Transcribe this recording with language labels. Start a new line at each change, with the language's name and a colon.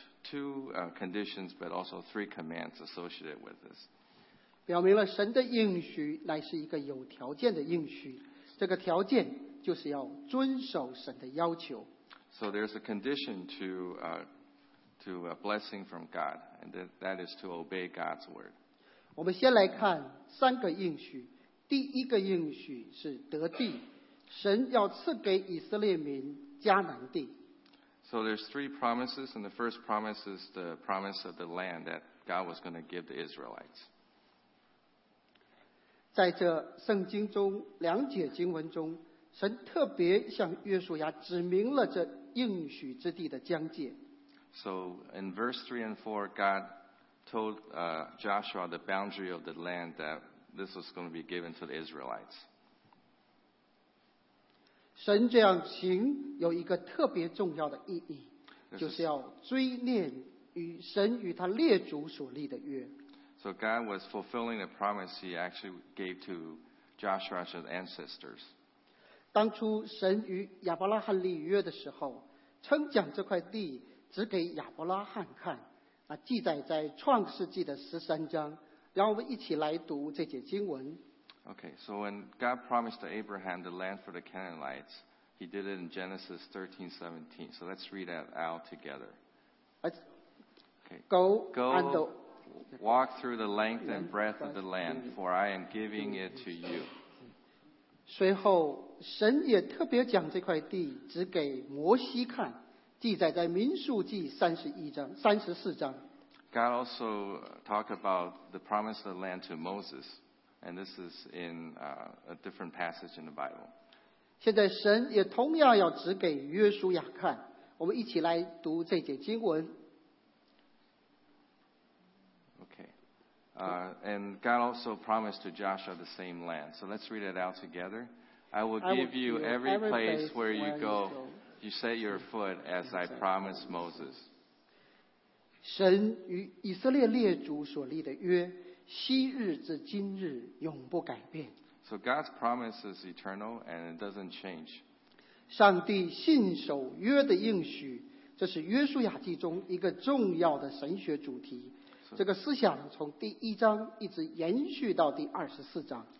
English: Two conditions, but also three commands associated with this.
Chinese: 表明了神的应许乃是一个有条件的应许，这个条件就是要遵守神的要求。
English: So there's a condition to a blessing from God, and that is to obey God's word.
Chinese: 我们先来看三个应许。第一个应许是得地，神要赐给以色列民迦南地。
English: So there's three promises, and the first promise is the promise of the land that God was going to give the Israelites.
Chinese: 在这圣经中两节经文中，神特别向约书亚指明了这应许之地的疆界。
English: So in verse 3 and 4, God told Joshua the boundary of the land that this was going to be given to the Israelites.
Chinese: 神这样行有一个特别重要的意义，就是要追念与神与他列祖所立的约。
English: So God was fulfilling the promise he actually gave to Joshua's ancestors.
Chinese: 当初神与亚伯拉罕立约的时候，曾讲这块地只给亚伯拉罕看，那记载在创世纪的十三章。让我们一起来读这节经文。
English: Okay, so when God promised Abraham the land for the Canaanites, he did it in Genesis 13:17. So let's read that out together. Go, walk through the length and breadth of the land, for I am giving it to you.
Chinese: 随后，神也特别讲这块地只给摩西看，记载在民数记31章34章。
English: God also talked about the promise of the land to Moses. And this is in a different passage in the Bible.
Chinese: 现在神也同样要指给约书亚看。我们一起来读这节经文。
English: Okay. And God also promised to Joshua the same land. So let's read it out together. I will give you every place where you go, you set your foot, as I promised Moses.
Chinese: 神与以色列列祖所立的约，昔日至今日永不改变。
English: So God's promise is eternal and it doesn't change.
Chinese: 上帝信守约的应许，这是约书亚记中一个重要的神学主题。 So, 这个思想从第一章一直延续到第24章。